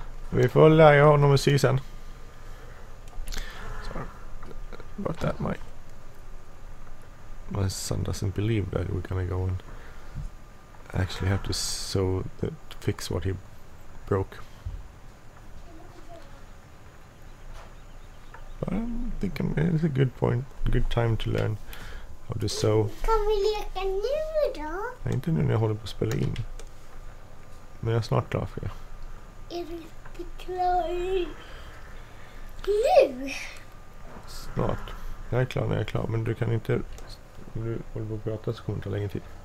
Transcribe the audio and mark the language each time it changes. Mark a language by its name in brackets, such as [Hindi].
[Swedish] Vi får lära honom att sy sen. [English] Sorry about that, my son doesn't believe that we're gonna go and actually have to sew that, fix what he broke. I think it's a good point, good time to learn how to sew. [Swedish] Kan vi leka nu då? Nej, inte nu när jag håller på att spela in. Men jag är snart klar för det. Är du inte klar? Nu? Snart. Jag är klar när jag är klar, men du kan inte... Om du håller på att prata så kommer det ta längre tid.